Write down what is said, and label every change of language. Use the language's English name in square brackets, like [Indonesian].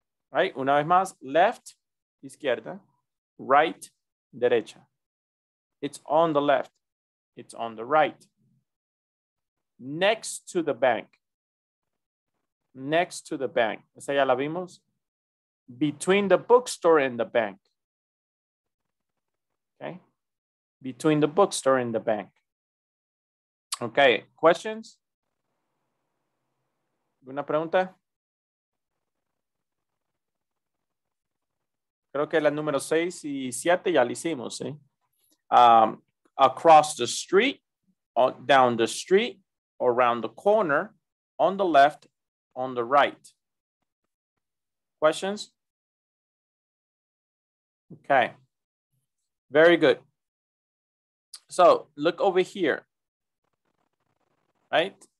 [Spanish] Right, una vez más, left, izquierda, right, derecha. [English] It's on the left, it's on the right. Next to the bank, next to the bank. [Spanish] Esa ya la vimos. [English] Between the bookstore and the bank. Okay. Between the bookstore and the bank. Okay. Questions? [Spanish] ¿Alguna pregunta? Creo que la número 6 y 7 ya la hicimos, ¿sí? [English] Across the street, down the street, around the corner, on the left, on the right. Questions? Okay. Very good. So, look over here. Right?